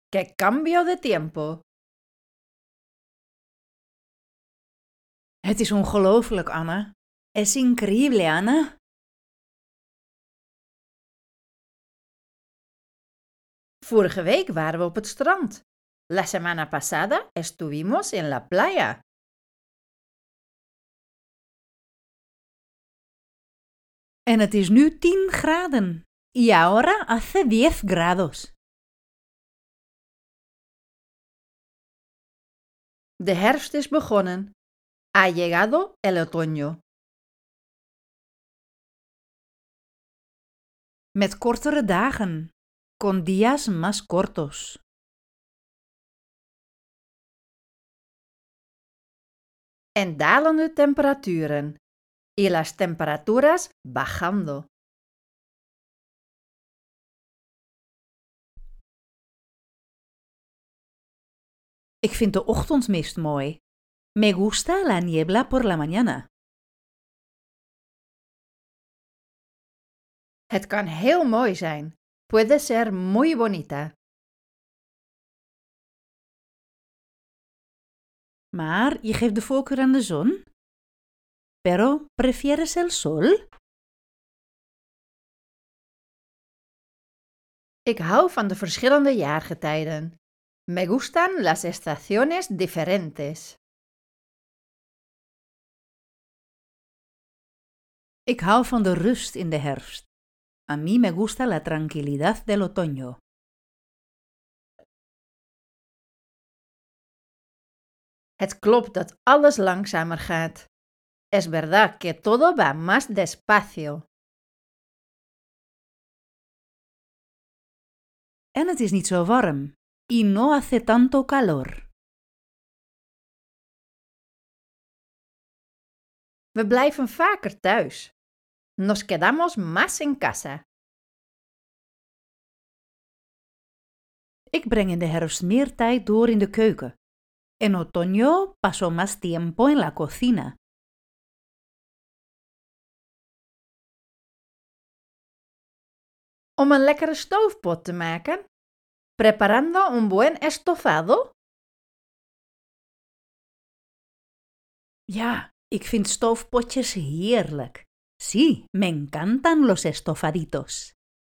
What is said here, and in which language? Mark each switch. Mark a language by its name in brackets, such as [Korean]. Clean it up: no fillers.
[Spanish] Qué cambio de tiempo. [Dutch] Het is ongelooflijk, Anna. [Spanish] Es increíble, Ana. [Dutch] Vorige week waren we op het strand. [Spanish] La semana pasada estuvimos en la playa. [Dutch] En het is nu 10 graden. [Spanish] Y ahora hace 10 grados. [Dutch] De herfst is begonnen. [Spanish] Ha llegado el otoño. [Dutch] Met kortere dagen, [Spanish] con días más cortos. [Dutch] En dalende temperaturen, [Spanish] y las temperaturas bajando. [Dutch] Ik vind de ochtendmist mooi. [Spanish] Me gusta la niebla por la mañana. [Dutch] Het kan heel mooi zijn. [Spanish] Puede ser muy bonita. [Dutch] Maar je geeft de voorkeur aan de zon? [Spanish] Pero prefieres el sol? [Dutch] Ik hou van de verschillende jaargetijden. [Spanish] Me gustan las estaciones diferentes. [Dutch] Ik hou van de rust in de herfst. [Spanish] A mí me gusta la tranquilidad del otoño. [Dutch] Het klopt dat alles langzamer gaat. [Spanish] Es verdad que todo va más despacio. [Dutch] En het is niet zo warm. [Spanish] Y no hace tanto calor. [Dutch] We blijven vaker thuis. [Spanish] Nos quedamos más en casa. [Dutch] Ik breng in de herfst meer tijd door in de keuken. [Spanish] En otoño paso más tiempo en la cocina. [Dutch] Om een lekkere stoofpot te maken. [Spanish] Preparando un buen estofado? [Dutch] Ja, ik vind stoofpotjes heerlijk. [Spanish] Sí, me encantan los estofaditos.